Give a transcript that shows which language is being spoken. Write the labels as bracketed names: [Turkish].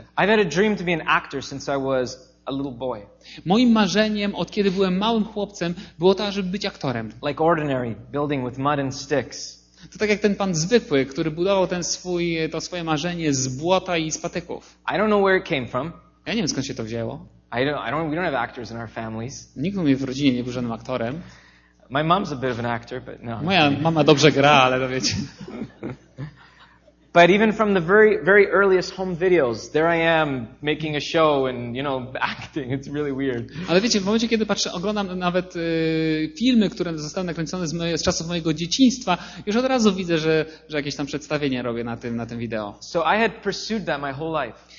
[English] I've had a dream to be an actor since I was a little boy. [Polish] Moim marzeniem od kiedy byłem małym chłopcem było to, żeby być aktorem. [English] Like ordinary, building with mud and sticks. [Polish] To tak jak ten pan zwykły, który budował to swoje marzenie z błota i z patyków. [English] I don't know where it came from. [Polish] Ja nie wiem, skąd się to wzięło. [English] We don't have actors in our families. [Polish] Nikt u mnie w rodzinie nie był żadnym aktorem. [English] My mom's a bit of an actor, but no. [Polish] Moja mama dobrze gra, ale to wiecie. [English] But even from the very, very earliest home videos, there I am making a show and, you know, acting. It's really weird. [Polish] Ale wiecie, w momencie kiedy oglądam nawet filmy, które zostały nakręcone z czasów mojego dzieciństwa, już od razu widzę, że jakieś tam przedstawienie robię na tym wideo. [English] So I had pursued that my whole life.